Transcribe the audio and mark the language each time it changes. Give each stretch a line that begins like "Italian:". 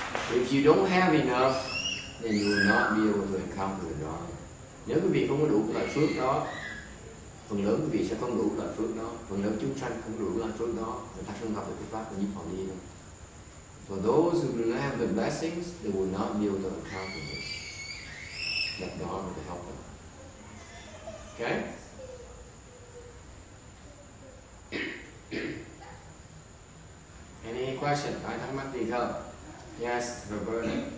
English: If you don't have enough, then you will not be able to encounter the dharma.
Vietnamese: Nếu quý vị không có đủ loại phước đó, phần lớn quý vị sẽ không đủ loại phước đó. Phần lớn chúng sanh không đủ loại phước đó, người ta không gặp được cái pháp của Niết Bàn đi đâu.
English: For those who do not have the blessings, they will not be able to encounter this. That dharma will help them. Okay? Any question?
Vietnamese: Ai thắc mắc gì không?
English: Yes,
Vietnamese: Roberta.